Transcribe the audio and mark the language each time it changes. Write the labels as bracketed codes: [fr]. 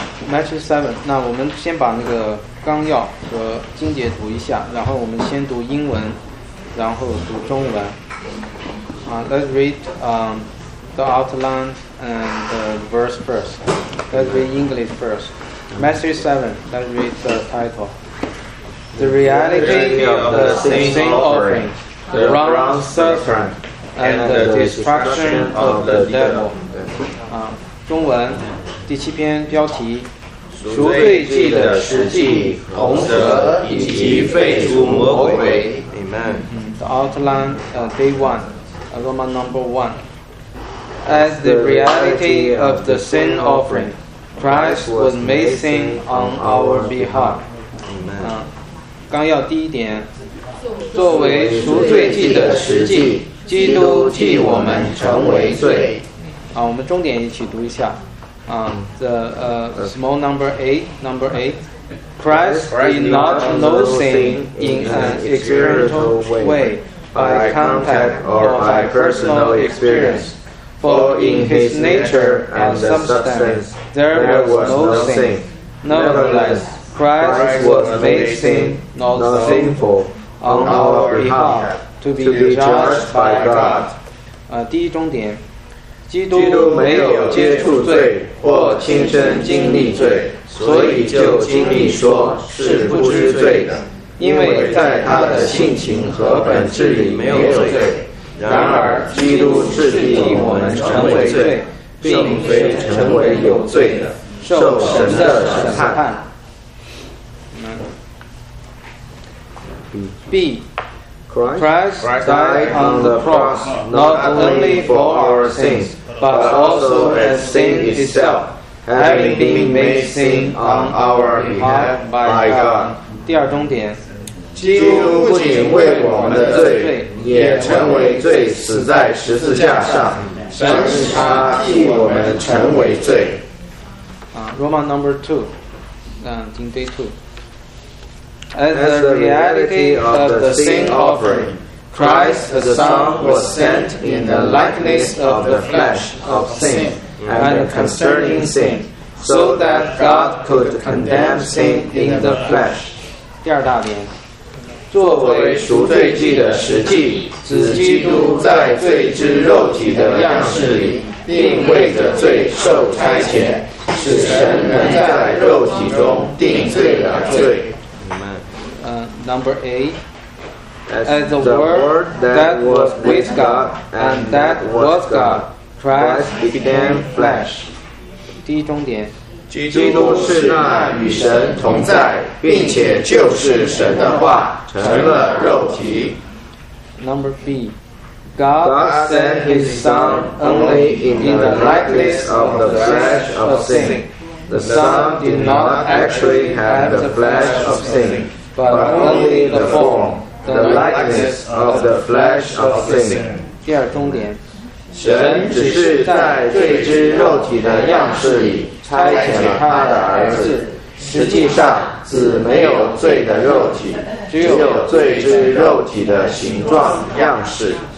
[zh] Matthew 7，那我们先把那个纲要和经节读一下，然后我们先读英文，然后读中文。 [en] Let's read the outline and the verse first. Let's read English first. Matthew 7. Let's read the title. The reality of the sin offering, the wrong suffering, and the destruction of the devil. [zh] 中文第七篇标题。赎罪祭的实际红蛇以及废除魔鬼。 [en] Amen. The outline, day one, aroma number one. As the reality of the sin offering, Christ was made sin on our behalf. Amen. [zh] 纲要第一点，作为赎罪祭的实际，基督替我们成为罪。我们重点一起读一下。 [en] Small number eight. Christ did not know sin in an experimental way, by contact or by personal experience. For in his nature and substance, there was no sin. Nevertheless, Christ was made sin, not sinful, on our behalf, to be judged by God. [zh] 第一终点，基督没有接触罪或亲身经历罪，所以就经历说是不知罪的，因为在他的性情和本质里没有罪。然而基督是替我们成为罪，并非成为有罪的，受神的审判。 [en] B. Christ died on the cross not only for our sins, but also as sin itself, having been made sin on our behalf by God. [zh] 第二终点，基督不仅为我们的罪，也成为罪，死在十字架上，神使他替我们成为罪。 [en] Roman number two, day two. As the reality of the sin offering, Christ the Son was sent in the likeness of the flesh of sin and concerning sin, so that God could condemn sin in the flesh. [zh] 第二大点，作为赎罪祭的实祭，指基督在罪之肉体的样式里，并为着罪受差遣，使神能在肉体中定罪的罪。 [en] Number A, as the Word that was with God and that was God, Christ became flesh. [zh] 第一终点，基督是那与神同在，并且就是神的话，成了肉体。 [en] Number B, God sent His Son only in the likeness of the flesh of sin. The Son did not actually have the flesh of sin. But only the form, the likeness of the flesh of sin. [zh] 第二终点，神只是在罪之肉体的样式里差遣了他的儿子，实际上子没有罪的肉体，只有罪之肉体的形状样式。